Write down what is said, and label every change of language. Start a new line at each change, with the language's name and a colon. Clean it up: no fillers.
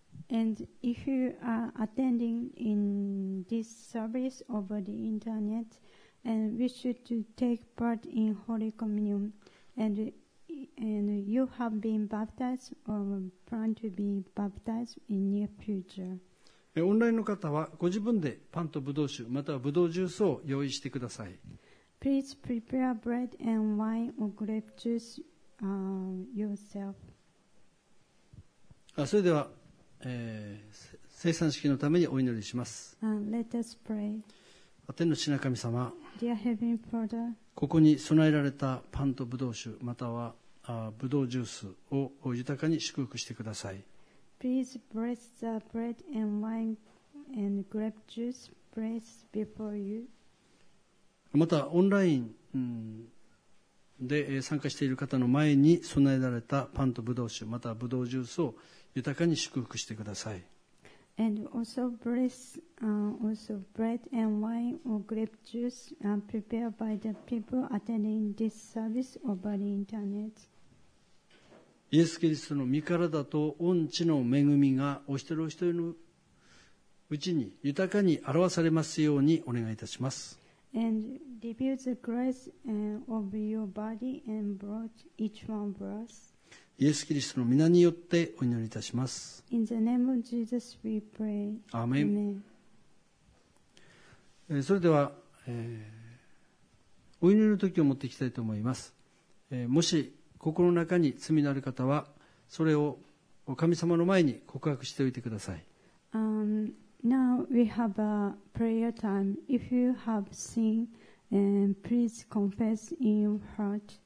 English: And if you are attending in this service over the internet, and wish to take part in Holy Communion, and you have been baptized or plan to be baptized in near future.
Japanese: オンラインの方はご自分でパンとブドウ酒、またはブドウジュースを用意してください。
English: Please prepare bread and wine or grape juice yourself.
Japanese: それでは、生産式のためにお祈りします。
English: Let us pray.
Japanese: 天の父なる神様、
English: Dear Heavenly Father,
Japanese: ここに備えられたパンとブドウ酒またはブドウジュースを豊かに祝福してください。
English: Please bless the bread and wine and grape juice placed before you.
Japanese: またオンライン、で参加している方の前に備えられたパンとブドウ酒またはブドウジュースを豊かに祝福してください。
English: And also bless also bread and wine or grape juice prepared by the people attending this service over the internet.
Japanese: イエス・キリストの御体と御血の恵みがお一人お一人のうちに豊かに表されますようにお願いいたします。
English: And reveal the grace of your body and blood each one of us.
Japanese: イエス・キリストの御名によってお祈りいたします。
English: In the name of Jesus we pray.
Japanese: アーメン。それでは、お祈りの時を持っていきたいと思います。もし心の中に罪のある方は、それを神様の前に告白しておいてください。
English: Now we have a prayer time. If you have sin, please confess in your heart.